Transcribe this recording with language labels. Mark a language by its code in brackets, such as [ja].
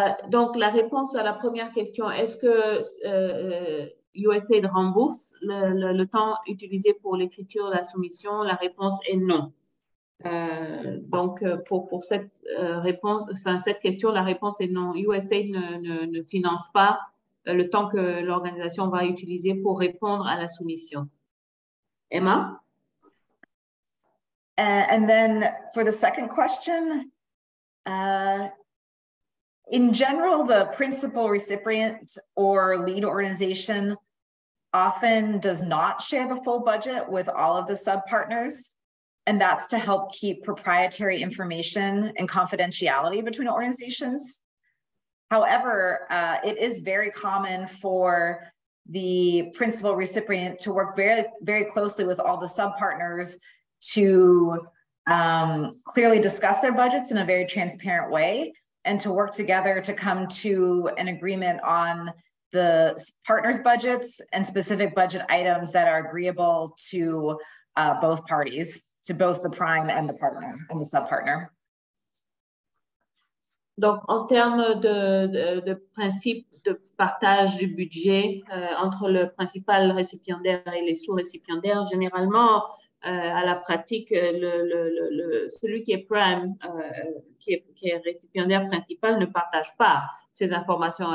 [fr] Donc, la réponse à la première question, est-ce que USAID rembourse le temps utilisé pour l'écriture de la soumission? La réponse est non. Donc, pour cette réponse, cette question, la réponse est non. USAID ne finance pas le temps que l'organisation va utiliser pour répondre à la soumission. Emma? [en] And then, for the second question, in general, the principal recipient or lead organization often does not share the full budget with all of the sub-partners, and that's to help keep proprietary information and confidentiality between organizations. However, it is very common for the principal recipient to work very, very closely with all the sub-partners to clearly discuss their budgets in a very transparent way and to work together to come to an agreement on the partners' budgets and specific budget items that are agreeable to both parties, to both the prime and the partner and the sub-partner. [fr] Donc, en termes de principe de partage du budget entre le principal récipiendaire et les sous-récipiendaires, généralement, à la pratique, celui qui est prime, qui est récipiendaire principal, ne partage pas ces informations.